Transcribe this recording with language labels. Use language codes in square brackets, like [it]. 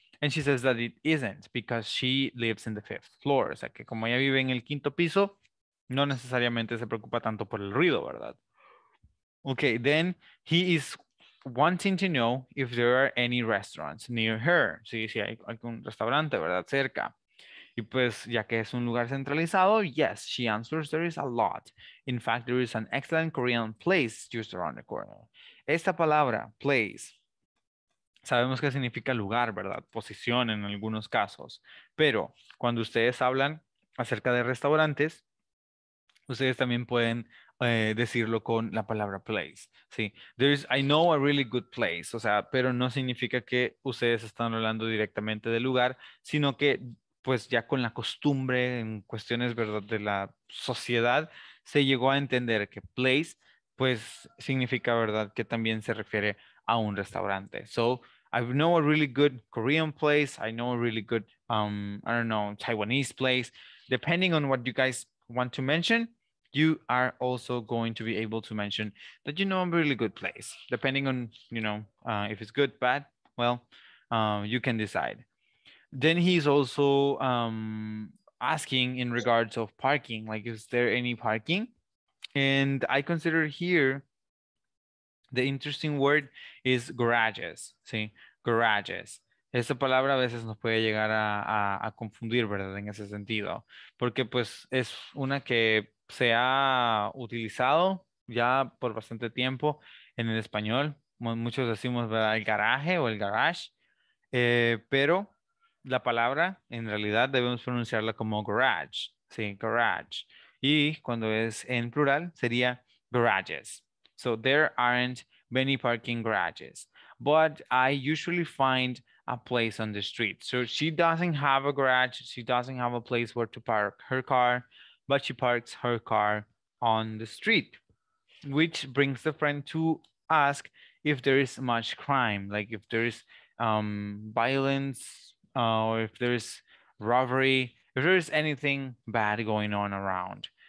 [en] And she says that it isn't because she lives in the fifth floor. [es] O sea, que como ella vive en el quinto piso, no necesariamente se preocupa tanto por el ruido, ¿verdad? [en] Okay, then he is wanting to know if there are any restaurants near her. [es] Sí, hay algún restaurante, ¿verdad? Cerca. Y pues, ya que es un lugar centralizado, [en] yes, she answers, there is a lot. In fact, there is an excellent Korean place just around the corner. [es] Esta palabra, place, sabemos que significa lugar, ¿verdad? Posición en algunos casos. Pero cuando ustedes hablan acerca de restaurantes, ustedes también pueden decirlo con la palabra place, ¿sí? [en] There's, I know a really good place, [es] o sea, pero no significa que ustedes están hablando directamente del lugar, sino que, pues, ya con la costumbre en cuestiones, ¿verdad?, de la sociedad, se llegó a entender que place, pues significa, ¿verdad?, que también se refiere a un restaurante. [en] So, I know a really good Korean place. I know a really good, I don't know, Taiwanese place. Depending on what you guys want to mention, you are also going to be able to mention that you know a really good place. Depending on, you know, if it's good, bad, well, you can decide. Then he's also asking in regards of parking, like, is there any parking? And I consider here, the interesting word is garages, ¿sí? Garages. [es] Esa palabra a veces nos puede llegar a confundir, ¿verdad? En ese sentido. Porque, pues, es una que se ha utilizado ya por bastante tiempo en el español. Muchos decimos, ¿verdad?, el garaje o el garage. Pero la palabra, en realidad, debemos pronunciarla como garage, ¿sí? Garage. Y cuando es en plural, sería garages. [en] So there aren't many parking garages, but I usually find a place on the street. So she doesn't have a garage. She doesn't have a place where to park her car, but she parks her car on the street, which brings the friend to ask if there is much crime, like if there is violence or if there is robbery, if there is anything bad going on around.